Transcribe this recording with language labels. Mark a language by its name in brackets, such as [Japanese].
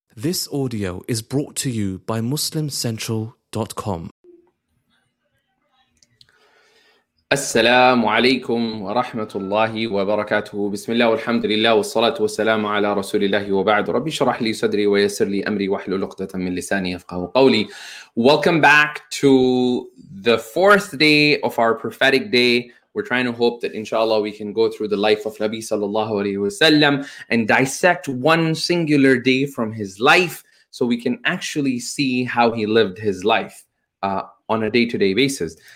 [English] This audio is brought to you by MuslimCentral.com. [Arabic] السلام عليكم ورحمة الله وبركاته. بسم الله والحمد لله والصلاة والسلام على رسول الله وبعد. ربي شرح لي صدري ويسر لي أمري واحلل عقدة من لساني يفقه قولي. [English] Welcome back to the fourth day of our prophetic day. We're trying to hope that inshallah we can go through the life of Nabi sallallahu alayhi wa sallam and dissect one singular day from his life so we can actually see how he lived his life on a day-to-day basis.